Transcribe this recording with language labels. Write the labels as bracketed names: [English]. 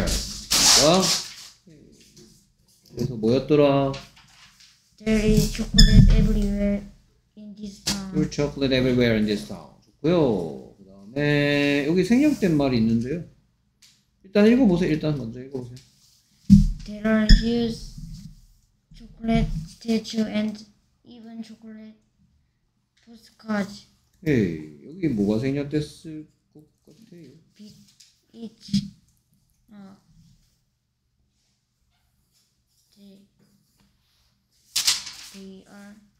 [Korean] 뭐? 그래서 뭐였더라? [English] There is chocolate everywhere in this town. There is chocolate everywhere in this town. [Korean] 좋고요. 그 다음에 여기 생략된 말이 있는데요. 일단 읽어보세요. 일단 먼저 읽어보세요. [English] There are huge chocolate statue and even chocolate postcards. [Korean] 에이, 여기 뭐가 생략됐을 것 같아요? [English] Beach. 아. [Korean] 네. [English] They are.